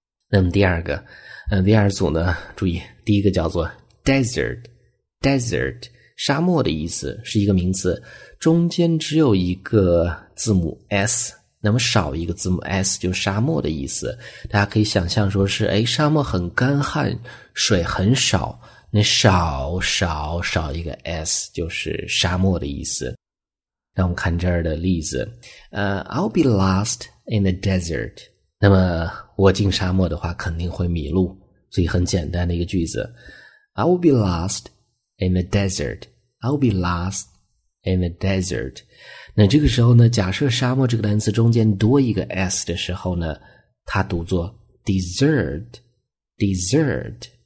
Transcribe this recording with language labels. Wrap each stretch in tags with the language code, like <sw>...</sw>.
<zh>那么第二个，第二组呢，注意，第一个叫做 desert， 沙漠的意思，是一个名词，中间只有一个字母 s， 那么少一个字母 s 就沙漠的意思。大家可以想象说是，哎，沙漠很干旱，水很少，那少一个 s 就是沙漠的意思。那我们看这儿的例子，</zh> <en>I'll be lost in the desert。</en> <zh>那么我进沙漠的话肯定会迷路，所以很简单的一个句子，</zh> <en>I will be lost in the desert。</en> <zh>那这个时候呢，假设沙漠这个单词中间多一个 s 的时候呢，它读作 dessert。</zh>